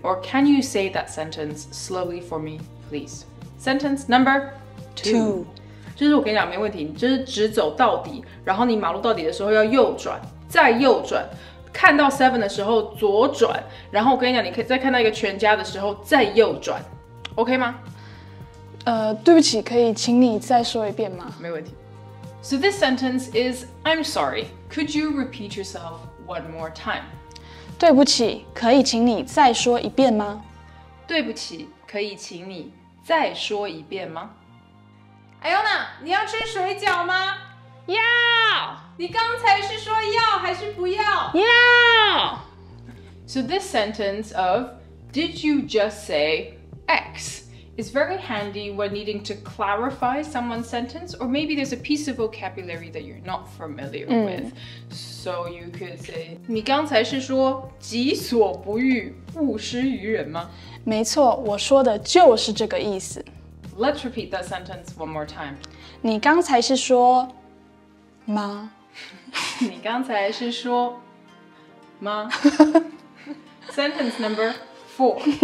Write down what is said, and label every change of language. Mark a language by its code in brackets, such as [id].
[en] Or can you say that sentence slowly for me, please? Sentence number 2. [zh] 就是我跟你讲没问题，你就是直走到底，然后你马路到底的时候要右转，再右转，看到 7的时候左转，然后我跟你讲，你可以再看到一个全家的时候再右转， OK吗？对不起，可以请你再说一遍吗? 没问题。 [en] So this sentence is, I'm sorry, could you repeat yourself one more time? [zh] 对不起，可以请你再说一遍吗? 对不起，可以请你再说一遍吗? Iona, 你要吃水饺吗? 要！你刚才是说要还是不要? 要！ [en] So this sentence of, did you just say X? It's very handy when needing to clarify someone's sentence, or maybe there's a piece of vocabulary that you're not familiar with. So you could say, [zh] 你刚才是说己所不欲，勿施于人吗? 没错，我说的就是这个意思。 [en] Let's repeat that sentence one more time. [zh] 你刚才是说吗? 你刚才是说吗? [en] Sentence number 4.